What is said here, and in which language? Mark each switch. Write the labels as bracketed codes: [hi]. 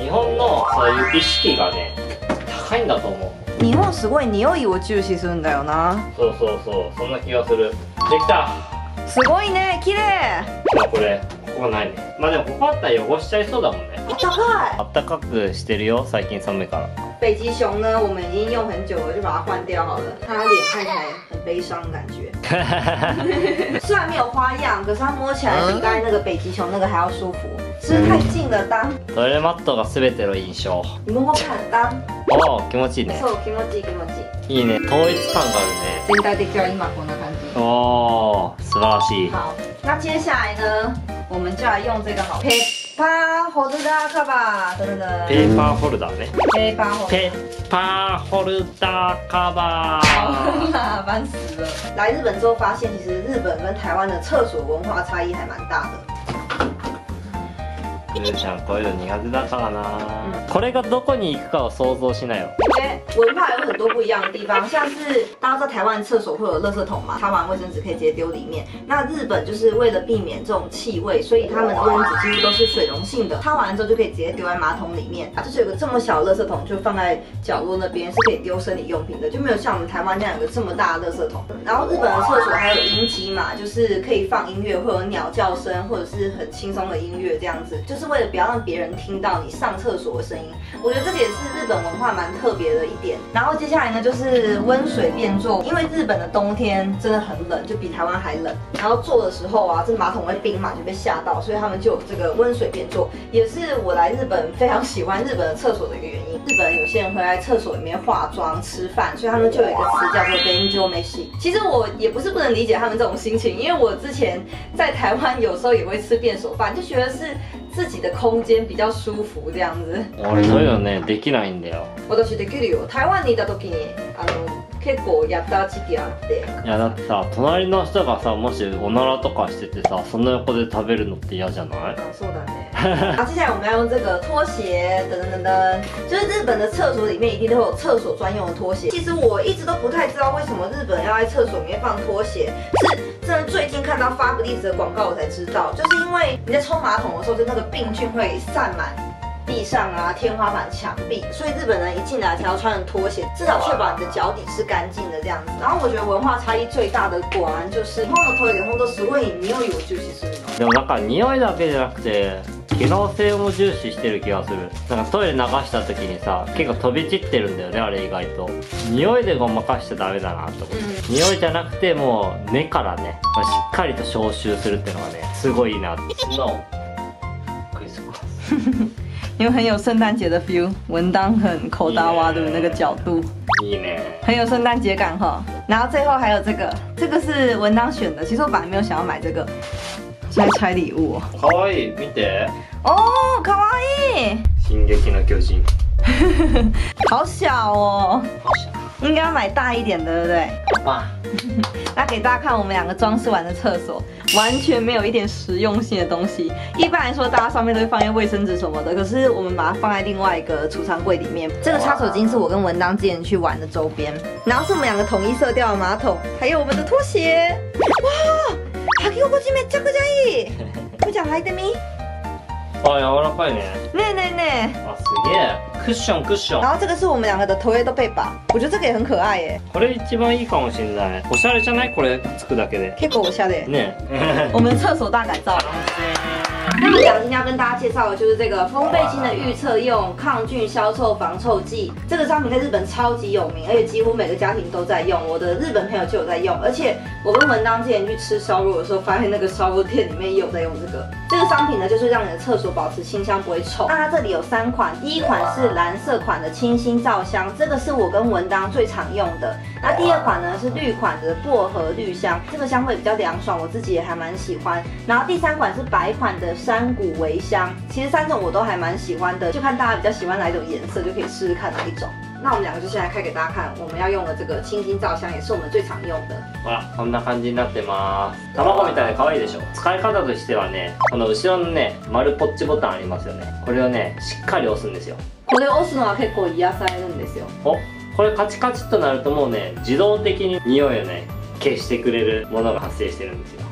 [ja] 日本のそういう意識がね高いんだと思う。日本すごい匂いを重視するんだよな。そうそうそう、そんな気がする。できた。すごいね、綺麗。これここがないね。まあでもここあったら汚しちゃいそうだもんね。暖かい。暖かくしてるよ。最近寒いから。 [zh] 北极熊呢？我们已经用很久了，就把它换掉好了。它脸看起来很悲伤的感觉。虽然没有花样，可是它摸起来比刚才那个北极熊那个还要舒服。是太近了，当。 [ja] トイレマットがすべての印象。 [zh] 摸摸看，当。 [ja] 哦，気持ちいいね。そう、気持ちいい、気持ちいい。いいね。統一感があるね。全体的には今こんな感じ。哦，素晴らしい。 [zh] 好，那接下来呢，我们就来用这个好。 [ja] ペーパーホルダーカバー。噔噔。ペーパーホルダーね。ペーパーホルダーカバー。 [zh] 麻烦死了。来日本之后发现，其实日本跟台湾的厕所文化差异还蛮大的。 [ja] ルーちゃんこういうの苦手だからな。これがどこに行くかを想像しなよ。 [zh] 文化有很多不一样的地方，像是大家在台湾厕所会有垃圾桶嘛，擦完卫生纸可以直接丢里面。那日本就是为了避免这种气味，所以他们的卫生纸几乎都是水溶性的，擦完之后就可以直接丢在马桶里面。就是有个这么小的垃圾桶，就放在角落那边是可以丢生理用品的，就没有像我们台湾那样有个这么大的垃圾桶。然后日本的厕所还有音机嘛，就是可以放音乐，会有鸟叫声或者是很轻松的音乐这样子，就是。是为了不要让别人听到你上厕所的声音，我觉得这个也是日本文化蛮特别的一点。然后接下来呢就是温水便座，因为日本的冬天真的很冷，就比台湾还冷，然后坐的时候啊这马桶会冰嘛，就被吓到，所以他们就有这个温水便座，也是我来日本非常喜欢日本的厕所的一个原因。日本有些人会在厕所里面化妆吃饭，所以他们就有一个词叫做 Benjo Meshi。其实我也不是不能理解他们这种心情，因为我之前在台湾有时候也会吃便所饭，就觉得是自己的空间比较舒服这样子。 [ja] 我れそういうのねできないんだよ。私できるよ。台湾にいた時にあの結構やった時期あって。いやだってさ隣の人がさもしおならとかしててさその横で食べるのって嫌じゃない？あ、そうだね。 [zh] 啊，接下来我们要用这个拖鞋，噔噔噔噔，就是日本的厕所里面一定都有厕所专用的拖鞋。其实我一直都不太知道为什么日本要在厕所里面放拖鞋，是真的最近看到 Fabulous 的广告我才知道，就是因为你在冲马桶的时候，就那个病菌会散满地上啊、天花板、墙壁，所以日本人一进来才要穿着拖鞋，至少确保你的脚底是干净的这样子。然后我觉得文化差异最大的果然就是 [ja] 日本のトイレ本当すごい匂いを重視するの。でもなんか匂いだけじゃなくて。機能性も重視してる気がする。なんかトイレ流した時にさ結構飛び散ってるんだよね。あれ意外と匂いでごまかしちゃダメだなと思って、匂いじゃなくてもう根からねしっかりと消臭するっていうのがねすごいいいなって。 No クリスマ [zh] ス有很有圣诞节的 feel。文当很口大挖的那个角度 [ja] いいね [zh] 很有圣诞节感哈。然后最后还有这个，这个是文当选的，其实我本来没有想要买这个，在拆礼物。 [ja] 可愛い，見て。哦，可愛い。進撃の巨人。 [zh] 好小哦。好小。应该要买大一点的，对不对？哇。那给大家看我们两个装饰完的厕所，完全没有一点实用性的东西。一般来说，大家上面都会放一些卫生纸什么的，可是我们把它放在另外一个储藏柜里面。这个擦手巾是我跟文当之前去玩的周边，然后是我们两个统一色调的马桶，还有我们的拖鞋。哇。 [ja] 履き心地めちゃくちゃいい。ふちゃん履いてみ。あ、柔らかいね。ねえねえねえ。あ、すげえ。クッションクッション。 [zh] 然后这个是我们两个的トイレットペーパー。我觉得这个也很可爱耶。 [ja] これ一番いいかもしれない。おしゃれじゃない？これつくだけで。結構おしゃれ。ね。 [zh] 我们厕所大改造。那我想今天要跟大家介绍的就是这个封闭性的预测用抗菌消臭防臭剂。这个商品在日本超级有名，而且几乎每个家庭都在用，我的日本朋友就有在用，而且我跟文当之前去吃烧肉的时候发现那个烧肉店里面也有在用这个。这个商品呢就是让你的厕所保持清香不会臭。那它这里有三款，第一款是蓝色款的清新皂香，这个是我跟文当最常用的。那第二款呢是绿款的薄荷绿香，这个香味比较凉爽，我自己也还蛮喜欢。然后第三款是白款的山谷微香，其实三种我都还蛮喜欢的，就看大家比较喜欢哪一种颜色就可以试试看哪一种。那我们两个就先来开给大家看，我们要用的这个清新皂香也是我们最常用的。 [ja] 哇，こんな感じになってます。卵みたいで可愛いでしょ。使い方としてはね、この後ろのね、丸ポッチボタンありますよね。これをね、しっかり押すんですよ。これ押すのは結構癒されるんですよ。お、これカチカチっとなるともうね、自動的に匂いをね、消してくれるものが発生してるんですよ。